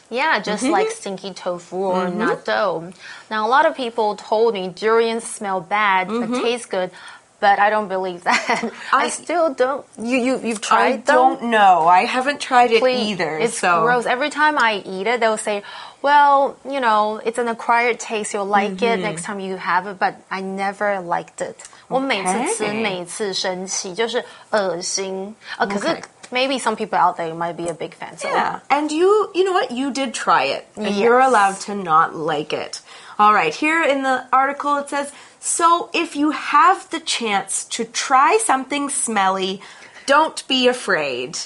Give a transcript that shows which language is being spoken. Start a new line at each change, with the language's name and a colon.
English: Yeah, just、mm-hmm. like stinky tofu or、mm-hmm. nut dough. Now, a lot of people told me durians smell bad、mm-hmm. but taste good. But I don't believe that. I still don't. You've tried them? I don't know. I haven't tried it either. It's gross. Every time I eat it, they'll say, well, you know, it's an acquired taste. You'll like、mm-hmm. it next time you have it. But I never liked it.
Chinese: 我每次吃每次生气就是恶心。可是
English: Maybe some people out there might be a big fan. So. Yeah. And you know what? You did try it. And、 yes. you're allowed to not like it. All right. Here in the article, it says, so if you have the chance to try something smelly, don't be afraid.、